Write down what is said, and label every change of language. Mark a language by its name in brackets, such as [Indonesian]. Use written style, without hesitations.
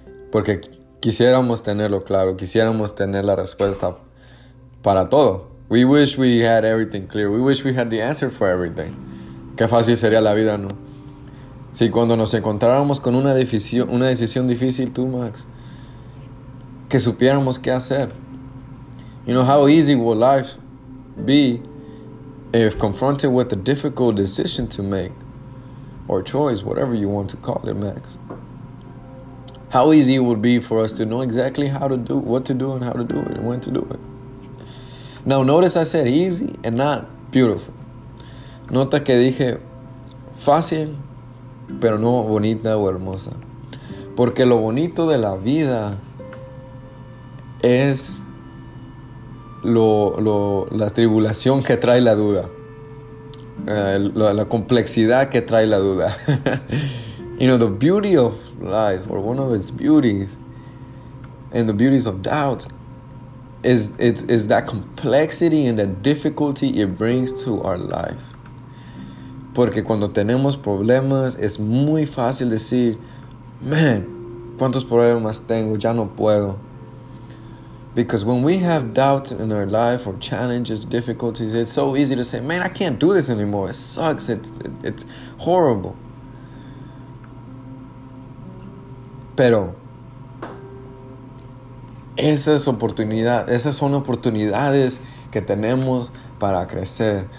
[Spanish] Porque quisiéramos tenerlo claro, quisiéramos tener la respuesta para todo. [English] We wish we had everything clear. We wish we had the answer for everything. [Spanish] Qué fácil sería la vida, ¿no? Si cuando nos encontráramos con una decisión difícil, tú, Max, que supiéramos qué hacer. [English] You know, how easy will life be if confronted with a difficult decision to make, or choice, whatever you want to call it, Max? How easy it would be for us to know exactly how to do, what to do, and how to do it, and when to do it. Now, notice I said easy and not beautiful. [Spanish] Nota que dije fácil, pero no bonita o hermosa. Porque lo bonito de la vida es la tribulación que trae la duda. La complexidad que trae la duda. [English] You know, the beauty of life, or one of its beauties, and the beauties of doubts, is that complexity and the difficulty it brings to our life. [Spanish] Porque cuando tenemos problemas, es muy fácil decir, man, ¿cuántos problemas tengo? Ya no puedo. [English] Because when we have doubts in our life, or challenges, difficulties, it's so easy to say, man, I can't do this anymore. It sucks. It's horrible. [Spanish] Pero esas son oportunidades que tenemos para crecer.